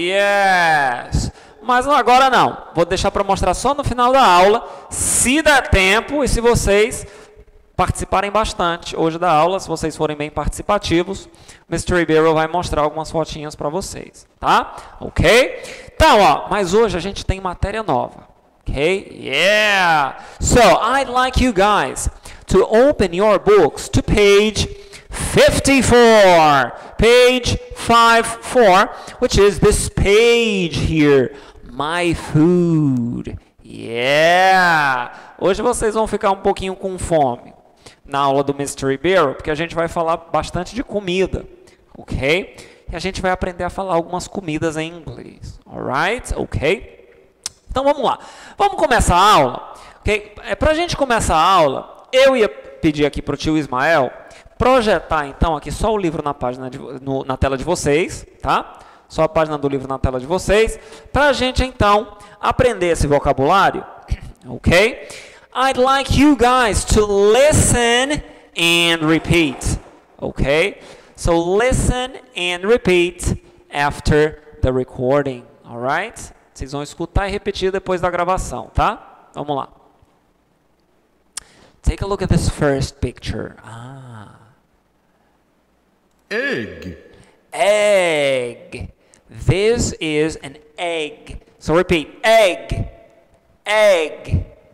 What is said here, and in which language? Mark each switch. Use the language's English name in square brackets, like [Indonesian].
[English] Yes! [Portuguese] Mas agora não, vou deixar para mostrar só no final da aula, se der tempo e se vocês participarem bastante hoje da aula, se vocês forem bem participativos, o Mr. Ribeiro vai mostrar algumas fotinhas para vocês, tá? Ok? Então, ó, mas hoje a gente tem matéria nova. [English] Okay, yeah. So, I'd like you guys to open your books to page 54. Page 54, which is this page here. My food. Yeah. [Portuguese] Hoje vocês vão ficar um pouquinho com fome na aula do Mr. Ribeiro, porque a gente vai falar bastante de comida. Ok? E a gente vai aprender a falar algumas comidas em inglês. Alright? Ok? Então, vamos lá. Vamos começar a aula? Okay? Para a gente começar a aula, eu ia pedir aqui para o tio Ismael projetar, então, aqui só o livro na página na tela de vocês, tá? Só a página do livro na tela de vocês, para a gente, então, aprender esse vocabulário, ok? [English] I'd like you guys to listen and repeat, ok? So, listen and repeat after the recording, all right? [Portuguese] Vocês vão escutar e repetir depois da gravação, tá? Vamos lá. [English] Take a look at this first picture. Ah. Egg. Egg. This is an egg. So repeat. Egg. Egg.